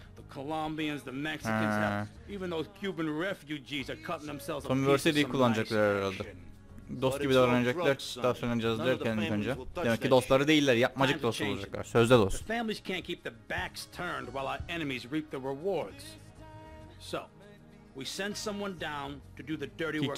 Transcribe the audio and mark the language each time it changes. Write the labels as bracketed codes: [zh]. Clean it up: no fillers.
[en] The Colombians, the Mexicans, have, even those Cuban refugees are cutting themselves a piece of some nice action. [tr] Dost gibi davranacaklar, daha sonra oynayacağız derken ilk önce. Demek ki dostları değiller, yapmacık dost olacaklar. Sözde dost. [en] The families can't keep the backs turned while our enemies reap the rewards. So, we send someone down to do the dirty work.